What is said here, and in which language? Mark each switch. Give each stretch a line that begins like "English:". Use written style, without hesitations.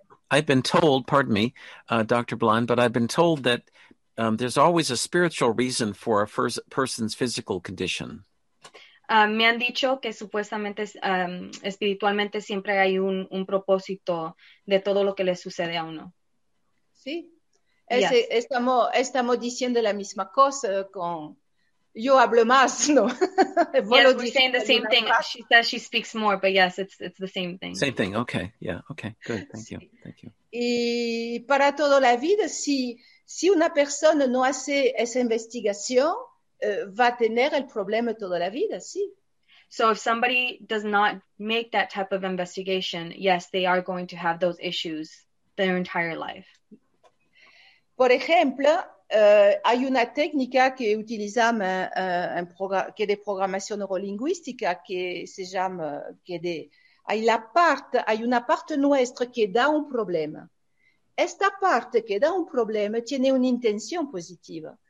English: I've been told that there's always a spiritual reason for a person's physical condition.
Spanish: Me han dicho que supuestamente espiritualmente siempre hay un propósito de todo lo que le sucede a uno. Sí, estamos diciendo la misma cosa con... Yo hablo más, ¿no?
English: Yes, we're saying the same thing. She says she speaks more, but yes, it's the same thing. Same thing, okay, yeah, okay, good, thank you.
Spanish: Y para toda la vida, si una persona no hace esa investigación, va a tener el problema toda la vida, sí.
English: So if somebody does not make that type of investigation, yes, they are going to have those issues their entire life.
Spanish: Por ejemplo, hay una técnica que utilizamos, que de programación neurolingüística, que se llama, hay una parte nuestra que da un problema. Esta parte que da un problema tiene una intención positiva.